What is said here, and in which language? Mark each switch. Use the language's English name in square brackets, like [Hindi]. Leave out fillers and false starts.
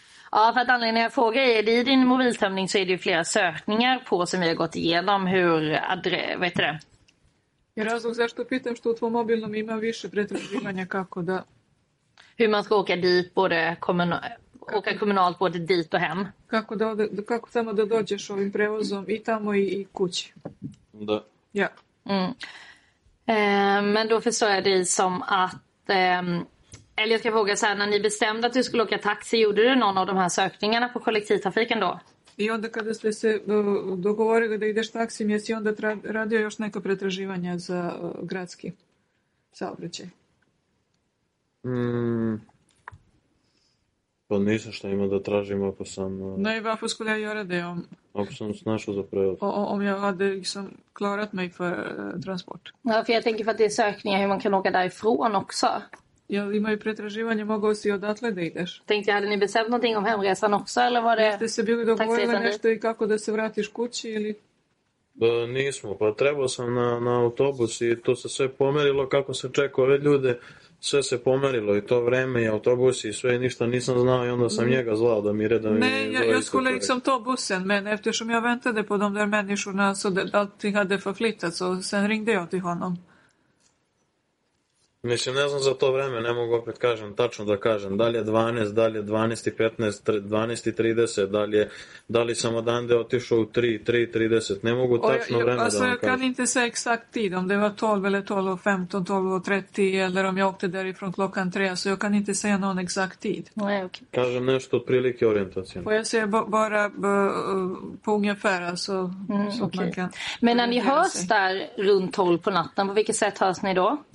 [Swedish] Ja, för att anledningen jag frågar är det i din mobiltömning så är det ju flera sökningar på som vi har gått igenom. Hur, vad heter det? Jag har också särskilt att pitta att två mobilen har mer vissa pretrådgivningar kako da. Hur man ska åka dit både åka kommunalt både dit och hem. [Serbian] Kako da, kako tamo da dođeš ovim prevozom i tamo i kući. Da. [Swedish] Ja. Mm. Men då förstår jag dig som att eller jag ska fråga så här, när ni bestämde att du skulle åka taxi, gjorde du någon av de här sökningarna på kollektivtrafiken då? [Serbian] I onda kada ste se dogovorili da ideš taksi, jesi onda radio još neka pretraživanja za gradski saobraćaj? Pa nisam šta ima da tražim ako sam... [Swedish] Ne, varför skulle jag göra det om... [Serbian] Ako sam snašao za prevoz. [Swedish] Om jag hade liksom klarat mig för transport. Ja, för jag tänker för att det är sökningar hur man kan åka därifrån också. [Serbian] Ja, ima ju pretraživanje, mogao si odatle da ideš. [Swedish] Tänkte jag, hade ni bestämt någonting om hemresan också eller var det... [Serbian] Jeste se bili dogovorili nešto i kako da se vratiš kući ili... Da, nismo, pa trebao sam na autobus i to se sve pomerilo kako sam čekao ove ljude... Sve se pomerilo i to vreme i autobusi i sve i ništa nisam znao i onda sam njega zvao da mi reda mi... [Swedish] Ne, ja skulle liksom to busen, men eftersom jag väntade på de där människorna så allting hade förflyttat så sen ringde jag till honom. [Serbian] Mislim, ne znam za to vreme, ne mogu opet kažem, tačno da kažem, da li je 12, da li je 12.15, 12.30, da li sam odande otišao u 3.30, ne mogu tačno vreme da vam kažem. [Swedish] Jag kan inte se exakt tid, om det var 12 eller 12.15, 12.30 eller om jag åkte därifrån klockan 3, så jag kan inte säga någon exakt tid. Okay. [Serbian] Kažem nešto od prilike orientacije. [Swedish] Får jag säga bara på ungefär, alltså, så okay. Man kan... Men när ni hörs där runt 12 på natten, på vilket sätt hörs ni då?